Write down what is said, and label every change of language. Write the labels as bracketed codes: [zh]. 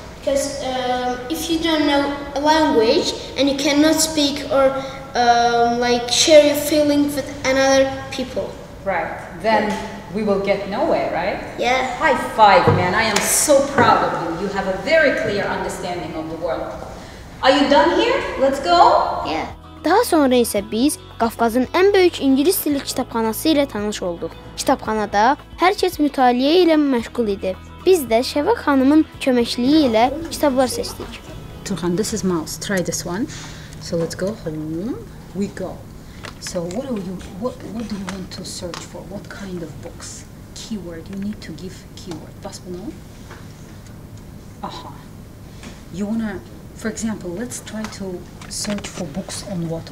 [en] Because if you don't know a language and you cannot speak or like share your feelings with another people. Right. Then we will get nowhere, right? Yeah. High five, man. I am so proud of you. You have a very clear understanding of the world. Are you done here? Let's go. Yeah. [az] Daha sonra isə biz Qafqazın ən böyük ingilis dili kitabxanası ilə tanış olduq. Kitabxanada hər kəs mütaliə ilə məşğul idi. Biz də Şəva xanımın köməkliyi ilə kitablar seçdik. [en] Turhan, this is Mouse. Try this one. So let's go home. We go. So what do you want to search for? What kind of books? Keyword. You need to give keyword. [az] Bas bunu. [en] Aha. You wanna, for example, let's try to search for books on what?